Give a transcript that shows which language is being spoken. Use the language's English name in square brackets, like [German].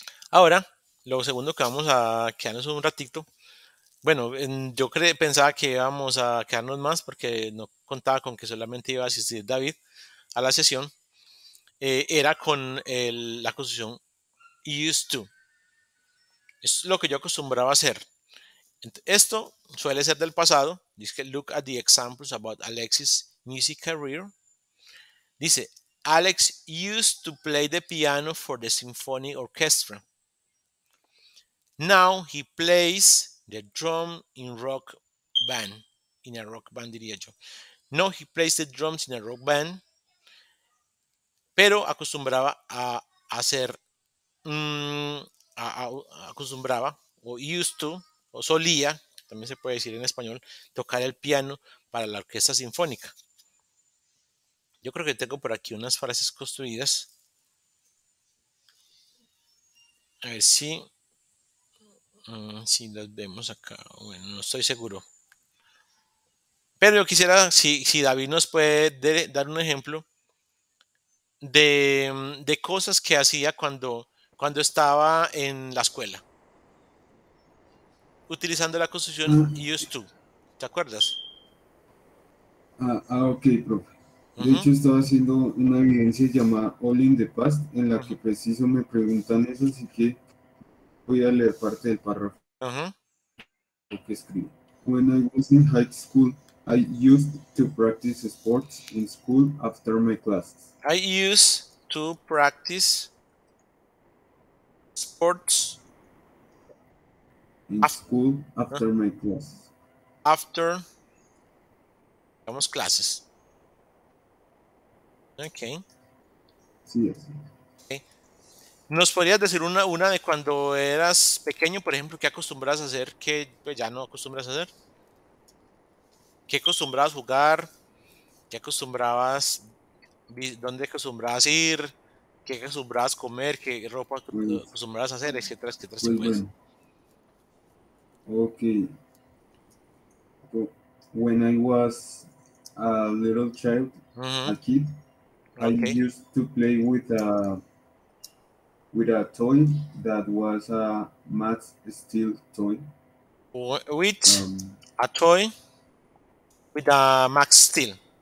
[Spanish] Ahora, lo segundo que vamos a quedarnos un ratito. Bueno, yo pensaba que íbamos a quedarnos más porque no contaba con que solamente iba a asistir David a la sesión. Era con la construcción used to. Es lo que yo acostumbraba a hacer. Esto suele ser del pasado. Dice, [English] look at the examples about Alex's music career. [Spanish] Dice, [English] Alex used to play the piano for the symphony orchestra. Now he plays the drum in rock band. In a rock band, [Spanish] diría yo. [English] Now he plays the drums in a rock band. [Spanish] Pero acostumbraba a hacer acostumbraba, o used to, o solía, también se puede decir en español, tocar el piano para la orquesta sinfónica. Yo creo que tengo por aquí unas frases construidas. A ver si, si las vemos acá. Bueno, no estoy seguro. Pero yo quisiera, si David nos puede dar un ejemplo de cosas que hacía cuando estaba en la escuela, utilizando la construcción used to. ¿Te acuerdas? Ok, profe. De hecho, estaba haciendo una evidencia llamada All in the Past, en la que preciso me preguntan eso, así que voy a leer parte del párrafo que escribo. [English] When I was in high school, I used to practice sports in school after my classes. I used to practice sports In school after my classes. after vamos clases. Okay. [Spanish] Sí. ¿Nos podrías decir una de cuando eras pequeño, por ejemplo, qué acostumbras a hacer que pues, ya no acostumbras a hacer? ¿Qué acostumbras jugar? ¿Qué acostumbrabas? ¿Dónde acostumbras ir? ¿Qué acostumbras comer? ¿Qué ropa Pues acostumbras a hacer? Etcétera, etcétera, si puedes. bueno. Okay. [English] When I was a little child, a kid, I used to play with a toy that was a matte steel toy. With a toy with a Max Steel.